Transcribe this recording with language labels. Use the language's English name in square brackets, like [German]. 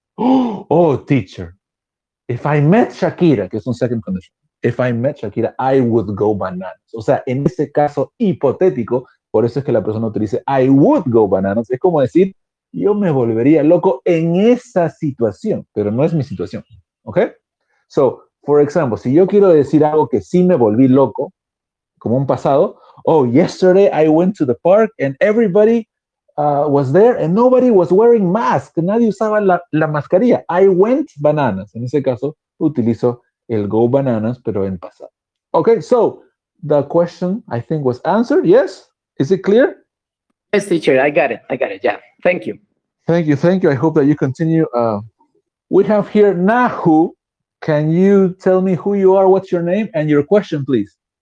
[English] Oh, teacher. If I met Shakira, [Spanish] que es un [English] second condition. If I met Shakira, I would go bananas. [Spanish] O sea, en ese caso hipotético, por eso es que la persona utiliza [English] I would go bananas. [Spanish] Es como decir, yo me volvería loco en esa situación, pero no es mi situación. ¿Ok? [English] So, for example, [Spanish] si yo quiero decir algo que sí me volví loco, como un pasado, [English] oh, yesterday I went to the park and everybody was there and nobody was wearing mask. [Spanish] Nadie usaba la mascarilla. [English] I went bananas. [Spanish] En ese caso, utilizo el go bananas, pero en pasado. [English] Okay, so the question I think was answered. Yes? Is it clear? Yes, teacher. I got it. Yeah. Thank you. I hope that you continue. We have here Nahu. Can you tell me who you are? What's your name? And your question, please.